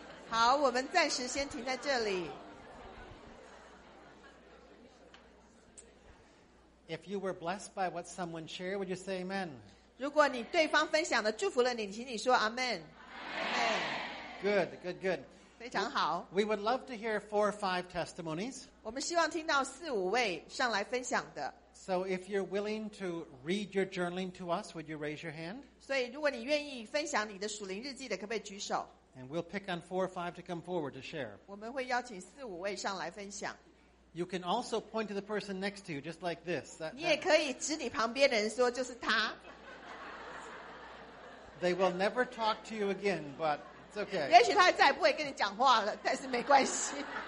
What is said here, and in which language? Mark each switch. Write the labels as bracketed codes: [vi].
[zh] 好，我们暂时先停在这里。 [en] If you were blessed by what someone shared, would you say amen? [zh] 如果你对方分享的祝福了你，请你说 amen。 [en] Good, good, good. [zh] 非常好。 [en] We would love to hear four or five testimonies. [zh] 我们希望听到四五位上来分享的。 [en] So if you're willing to read your journaling to us, would you raise your hand? [zh] 所以如果你愿意分享你的属灵日记的，可不可以举手？ [en] And we'll pick on four or five to come forward to share. [zh] 我们会邀请四五位上来分享。 [en] You can also point to the person next to you, just like this. That, [zh] 你也可以指你旁边的人说就是他。 They will never talk to you again, but it's okay. 也许他再也不会跟你讲话了，但是没关系。